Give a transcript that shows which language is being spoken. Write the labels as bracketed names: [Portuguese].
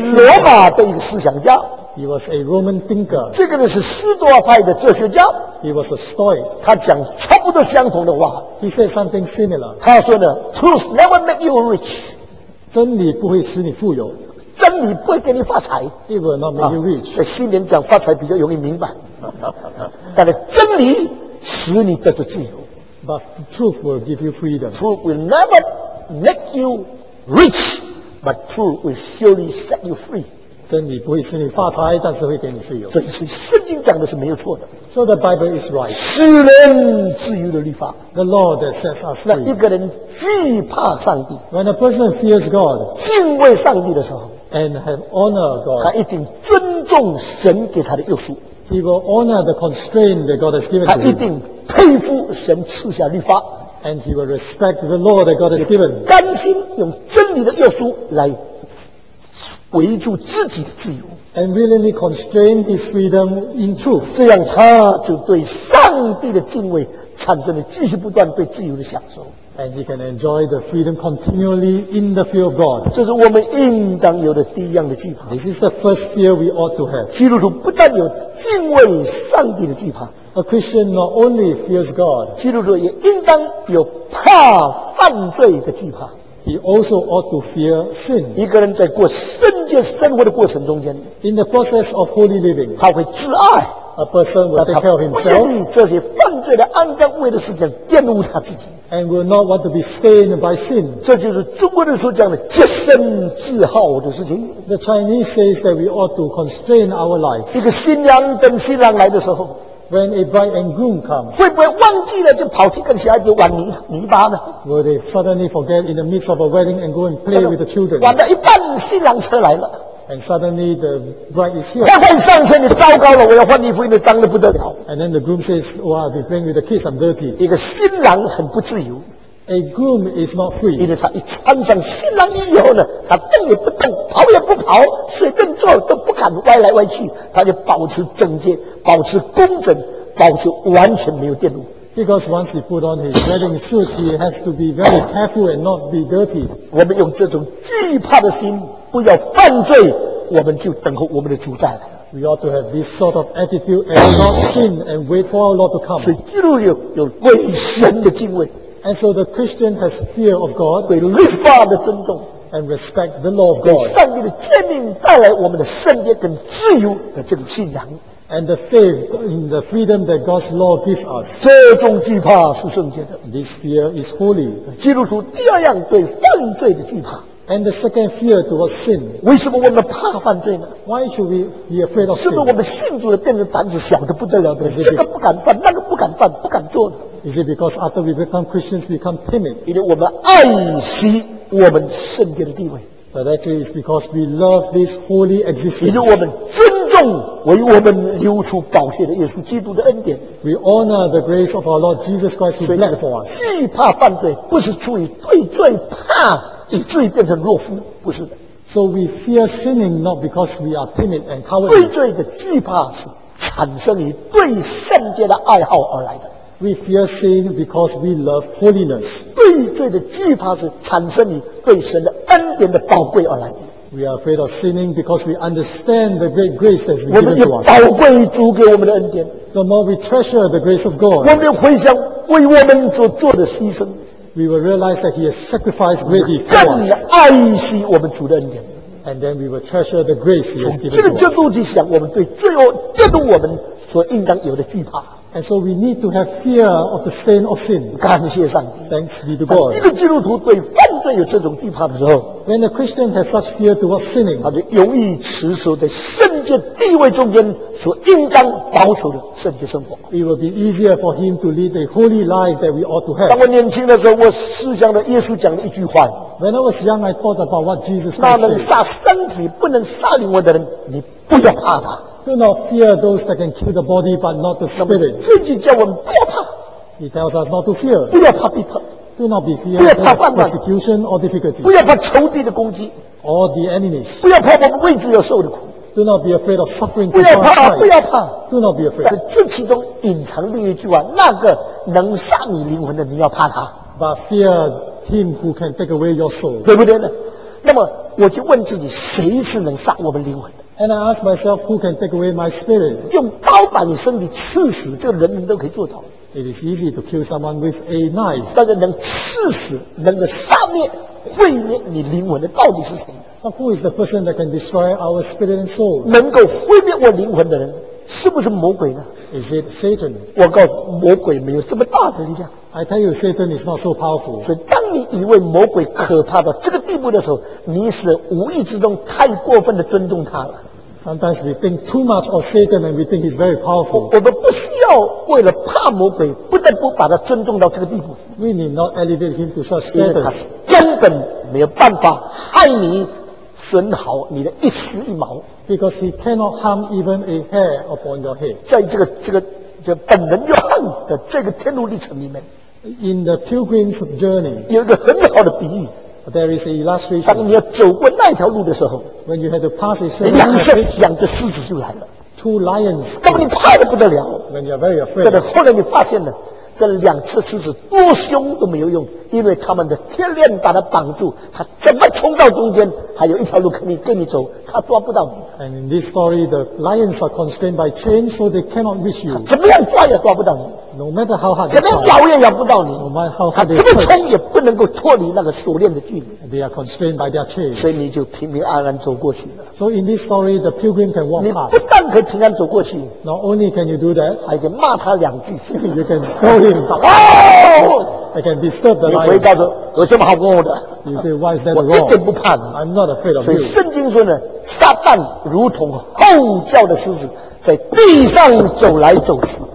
[Chinese] Seneca. 罗马的一个思想家。 [English] He was a Roman thinker. [Chinese] 这个人是斯多派的哲学家。 [English] He was a Stoic. [Chinese] 他讲差不多相同的话。 [English] He said something similar. [Chinese] 他说呢 [English] ，Truth never make you rich. [Chinese] 真理不会使你富有。真理不会给你发财。 [English] It will not make you rich. [Chinese] 在新年讲发财比较容易明白。但是真理使你得到自由。 [English] But truth will give you freedom. Truth will never make you rich, but truth will surely set you free. [Chinese] 真理不会使你发财，但是会给你自由。所以圣经讲的是没有错的。 [English] So the Bible is right. [Chinese] 使人自由的律法。 [English] The law that sets us free. [Chinese] 那一个人惧怕上帝。 [English] When a person fears God. [Chinese] 敬畏上帝的时候。 [English] And have honor God. [Chinese] 他一定尊重神给他的约束。 [English] He will honor the constraint that God has given to him. [Chinese] 他一定佩服神赐下律法。 [English] And he will respect the law that God has given. [Chinese] 甘心用真理的约束来维护自己的自由 [English] ，and willingly constrain his freedom in truth， [Chinese] 这样他就对上帝的敬畏产生了继续不断对自由的享受 [English] ，and he can enjoy the freedom continually in the fear of God。 [Chinese] 这是我们应当有的第一样的惧怕。 [English] This is the first fear we ought to have。 [Chinese] 基督徒不但有敬畏上帝的惧怕 [English] ，a Christian not only fears God， [Chinese] 基督徒也应当有怕犯罪的惧怕。 [English] He also ought to fear sin. [Chinese] 一个人在过圣洁生活的过程中间 [English] ，in the process of holy living， [Chinese] 他会自爱。 [English] A person will take care of himself. [Chinese] 不愿意这些犯罪的肮脏污秽的事情玷污他自己。 [English] And will not want to be stained by sin. [Chinese] 这就是中国人所讲的洁身自好的事情。 [English] The Chinese says that we ought to constrain our lives. [Chinese] 一个新娘等新郎来的时候。 [English] When a bride and groom come, [Chinese] 会不会忘记了就跑去跟小孩子玩泥巴呢 [English] ？Will they suddenly forget in the midst of a wedding and go and play with the children? [Chinese] 玩到一半，新郎车来了。 [English] And suddenly the bride is here. [Chinese] 快快上车！你糟糕了，我要换衣服，因为脏得不得了。 [English] And then the groom says, "Oh, I've been playing with the kids. I'm dirty." [Chinese] 一个新郎很不自由。 [English] A groom is not free. [Chinese] 因为他一穿上新郎衣以后呢，他动也不动，跑也不跑，谁正坐都不敢歪来歪去，他就保持整洁，保持工整，保持完全没有玷污。 [English] Because once he put on his wedding suit, he has to be very careful and not be dirty. [Chinese] 我们用这种惧怕的心，不要犯罪，我们就等候我们的主再来。 [English] We ought to have this sort of attitude and not sin and wait for our Lord to come. [Chinese] 所以基督徒有对神的敬畏。 [English] And so the Christian has fear of God, [Chinese] 对律法的尊重 [English] and respect the law of God. [Chinese] 对上帝的诫命带来我们的圣洁跟自由的这种信仰 [English] and the faith in the freedom that God's law gives us. [Chinese] 这种惧怕是圣洁的 [English] This fear is holy. [Chinese] 基督徒第二样对犯罪的惧怕 [English] And the second fear towards sin. [Chinese] 为什么我们怕犯罪呢 [English] Why should we be afraid of sin? [Chinese] 是不是我们信主的变成胆子小得不得了这个不敢犯那个不敢犯不敢做呢 [English] Is it because after we become Christians, we become timid? [Chinese] 因为我们爱惜我们圣洁的地位。 [English] But actually, it's because we love this holy existence. [Chinese] 因为我们尊重为我们流出宝血的耶稣基督的恩典。 [English] We honor the grace of our Lord Jesus Christ who bled for us. [Chinese] 惧怕犯罪不是出于对罪怕，以至于变成懦夫，不是的。 [English] So we fear sinning not because we are timid and cowardly. [Chinese] 对罪的惧怕是产生于对圣洁的爱好而来的。 [English] We fear sin because we love holiness. [Chinese] 对罪的惧怕是产生于对神的恩典的宝贵而来的。 [English] We are afraid of sinning because we understand the great grace that's been given to us. [Chinese] 我们也宝贵主给我们的恩典。 [English] The more we treasure the grace of God. [Chinese] 我们回想为我们所做的牺牲。 [English] We will realize that He has sacrificed greatly for us. [Chinese] 更爱惜我们主的恩典。 [English] And then we will treasure the grace He has given to us. [Chinese] 从这个角度去想，我们对罪恶这种我们所应当有的惧怕。 [English] And so we need to have fear of the stain of sin. [Chinese] 感谢上帝。 [English] Thanks be to God. [Chinese] 当一个基督徒对犯罪有这种惧怕的时候 [English] ，When a Christian has such fear towards sinning， [Chinese] 他就勇于持守在圣洁地位中间所应当保守的圣洁生活。 [English] It will be easier for him to lead a holy life that we ought to have. [Chinese] 当我年轻的时候，我思想了耶稣讲的一句话。 [English] When I was young, I thought about what Jesus said. [Chinese] 那能杀身体不能杀灵魂的人，你不要怕他。 [English] Do not fear those that can kill the body, but not the spirit. [Chinese] 自己叫我们不要怕。 [English] He tells us not to fear. [Chinese] 不要怕逼迫。 [English] Do not be fearful of persecution or difficulty. [Chinese] 不要怕仇敌的攻击。 [English] Or the enemies. [Chinese] 不要怕我们为主要受的苦。 [English] Do not be afraid of suffering. [Chinese] 不要怕，不要怕。 [English] Do not be afraid. [Chinese] 这其中隐藏另一句话：那个能杀你灵魂的，你要怕他。 [English] But fear him who can take away your soul. [Chinese] 对不对呢？那么我就问自己：谁是能杀我们灵魂？ [English] And I ask myself, who can take away my spirit? [Chinese] 用刀把你身体刺死，这个人人都可以做到。 [English] It is easy to kill someone with a knife. [Chinese] 但是能刺死、能够杀灭、毁灭你灵魂的，到底是谁 [English] ？But who is the person that can destroy our spirit and soul? [Chinese] 能够毁灭我灵魂的人，是不是魔鬼呢 [English] ？Is it Satan? [Chinese] 我告诉你，魔鬼没有这么大的力量。 [English] I tell you, Satan is not so powerful. [Chinese] 所以当你以为魔鬼可怕到这个地步的时候，你是无意之中太过分的尊重他了。 [English] Sometimes we think too much of Satan and we think he's very powerful. [Chinese] 我们不需要为了怕魔鬼，不得不把他尊重到这个地步。 [English] We need not elevate him to such status. [Chinese] 因为他根本没有办法害你损耗你的一丝一毛。 [English] Because he cannot harm even a hair upon your head. [Chinese] 在这个本能欲望的这个天路历程里面 [English] ，In the pilgrim's journey， [Chinese] 有一个很好的比喻。 [English] There is an illustration. [Chinese] 当你要走过那条路的时候 [English] ，When you had to pass a certain bridge, [Chinese] 两只狮子就来了。 [English] Two lions. [Chinese] 当你怕得不得了 [English] ，When you are very afraid. [Chinese] 后来你发现了，这两只狮子多凶都没有用，因为他们的天链把他绑住，他怎么冲到中间，还有一条路可以跟你走，他抓不到你。 [English] And in this story, the lions are constrained by chains, so they cannot reach you. [Chinese] 怎么样抓也抓不到你。 [English] No matter how hard. [Chinese] 怎么样咬也咬不到你。 [English] No matter how hard. [Chinese] 怎么冲也不能够脱离那个锁链的距离。 [English] They are constrained by their chains. [Chinese] 所以你就平平安安走过去了。 [English] So in this story, the pilgrim can walk past. [Chinese] 你不但可以平安走过去。 [English] Not only can you do that, [Chinese] 还可以骂他两句。 [English] You can call him. I can disturb the lion. [Chinese] 你回家说有什么好跟我的？ [English] You say, why is that wrong? [Chinese] 我一点不怕你。 [English] I'm not afraid of you. [Chinese] 所以圣经说呢，撒旦如同吼叫的狮子，在地上走来走去。